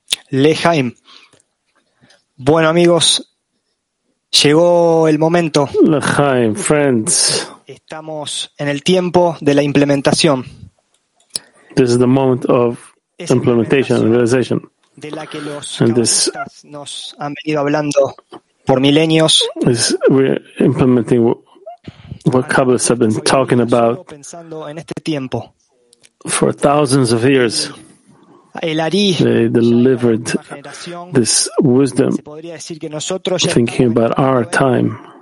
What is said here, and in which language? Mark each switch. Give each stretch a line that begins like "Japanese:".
Spanish: L'chaim. Bueno, amigos, Llegó el momento.
English: L'chaim, friends.
Spanish: Estamos en el tiempo de la implementación.
English: This is the moment of implementation and realization.
Spanish: De la que los cabalistas nos han venido hablando por milenios.
English: Is we're implementing what Kabbalists have been talking about
Spanish: pensando en este tiempo.
English: For thousands of years. They delivered this wisdom thinking about our time.